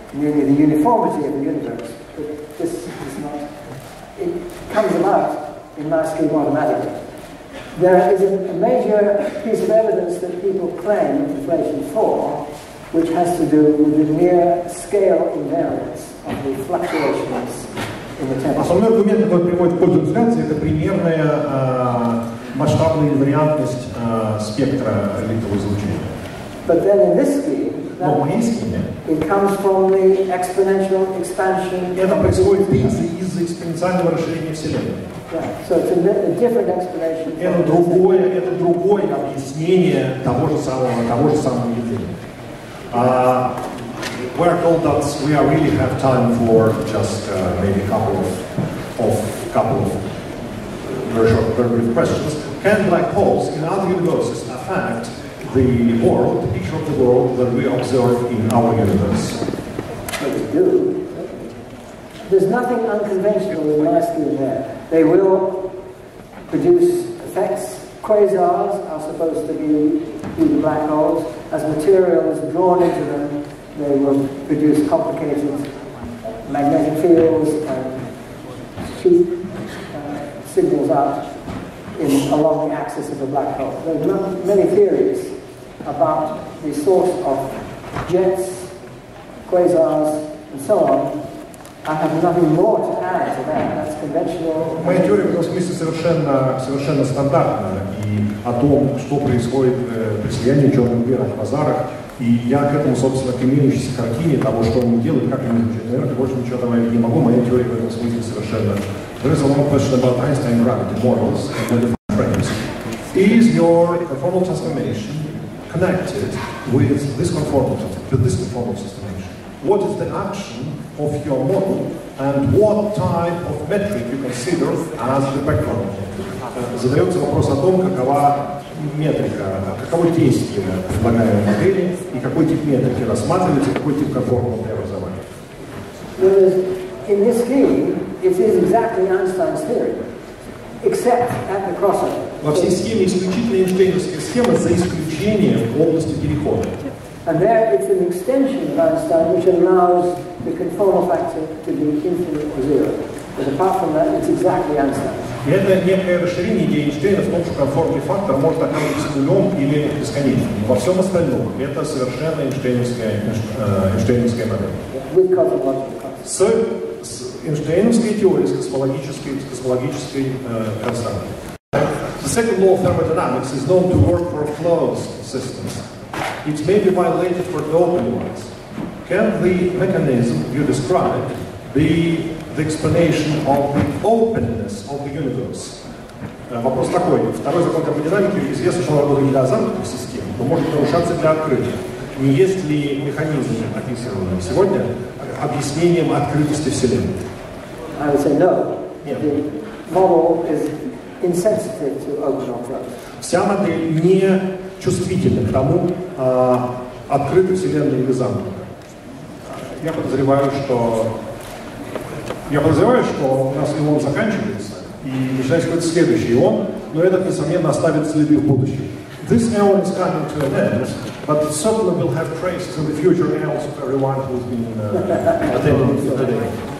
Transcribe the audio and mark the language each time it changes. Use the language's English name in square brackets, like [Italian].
[English] Namely, the uniformity of the universe. But this is not. It comes about in my scheme automatically. There is a major piece of evidence that people claim inflation for, which has to do with the mere scale invariance of the fluctuations. [Russian] Основной аргумент, который приводит к пользу инфляции, это примерная масштабная инвариантность спектра орбитового излучения. [English] But then in this scheme, it comes from the exponential expansion. [Russian] Это происходит из экспоненциального расширения Вселенной. [English] So it's a different explanation. [Russian] Это другое объяснение того же самого явления. [English] We are told that we really have time for just maybe a couple of very brief questions. Can black holes in other universes affect the world, the picture of the world that we observe in our universe? They do. There's nothing unconventional in my scheme there. They will produce effects. Quasars are supposed to be in the black holes. As material is drawn into them, they will produce complicated magnetic fields and shoot signals out along the axis of a black hole. There are many theories about the source of jets, quasars, and so on. I have nothing more to add to that. That's conventional. [Russian] Моя теория в этом смысле совершенно стандартная, и о том, что происходит при слиянии черных дыр в квазарах. И я к этому, собственно, к имеющейся картине того, что они делают, как они изучают энергию, больше ничего там я не могу, моя теория в этом смысле совершенно. [English] There is a long question about Einstein gravity models and the different frames. Is your conformal transformation connected with this conformal transformation? What is the action of your model and what type of metric you consider as the background? [Russian] Задается вопрос о том, какова метрика, каково действие предлагаемой модели и какой тип метрики рассматривается, какой тип конформа преобразования. [English] In this scheme, it is exactly Einstein's theory, except at the crossover. [Russian] Во всей схеме исключительно эйнштейновская схема за исключением области перехода. [English] And there it's an extension of Einstein which allows the conformal factor to be infinite or zero. But apart from that, it's exactly Einstein. [Russian] И это некое расширение идеи Эйнштейна в том, что конформный фактор может оказываться нулем или бесконечным. Во всем остальном это совершенно эйнштейновская модель. С эйнштейновской теорией, с космологической константой. [English] The second law of thermodynamics is known to work for closed systems. It may be violated for the open ones. Can the mechanism you described be the explanation of the openness of the universe? [Russian] Вопрос такой. Второй закон термодинамики известно, что он работает для замкнутых систем, но может нарушаться для открытых. Не есть ли механизм, описанный сегодня, объяснением открытости Вселенной? [English] I would say no. [Russian] Нет. [English] The model is insensitive to open or closed. [Russian] Вся модель не чувствительна к тому, открытой Вселенной или замкнутой. Я подозреваю, что у нас ион заканчивается, и начинается какой-то следующий ион, но этот, несомненно, оставит следы в будущем. [English] This ion is coming to an end, but it certainly will have traces in the future ions of everyone who's been attending today.